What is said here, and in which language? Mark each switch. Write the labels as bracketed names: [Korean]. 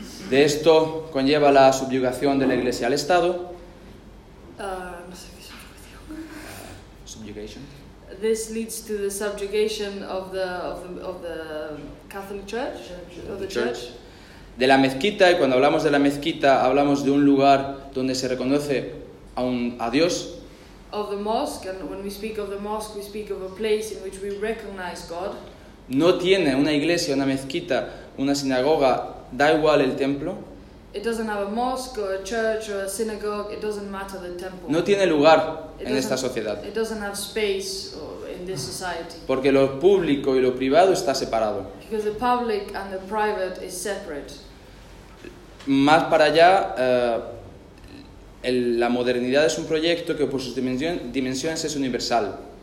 [Spanish] De esto conlleva la subyugación de la Iglesia al Estado. No sé qué subyugación. [English] Subyugation. This leads to the subjugation of the Catholic Church. Church. [Spanish] De la mezquita, y cuando hablamos de la mezquita hablamos de un lugar donde se reconoce a Dios. [English] Of the mosque, and when we speak of the mosque, we speak of a place in which we recognize God. [Spanish] No tiene una iglesia, una mezquita, una sinagoga, da igual el templo. [English] It doesn't have a mosque or a church or a synagogue. It doesn't matter the temple. [Spanish] No tiene lugar en esta sociedad. [English] It doesn't have space in this society. [Spanish] Porque lo público y lo privado está separado. [English] Because the public and the private is separate. [Spanish] Más para allá. La modernidad es un proyecto que por sus dimensiones es universal.